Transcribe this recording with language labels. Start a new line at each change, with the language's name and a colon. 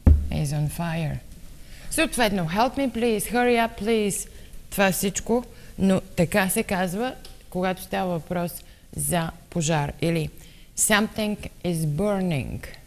English: Is on fire. Съответно, help me please, hurry up please.
Bulgarian: Това всичко, но така се казва, когато става въпрос за пожар.
English: Или something is burning.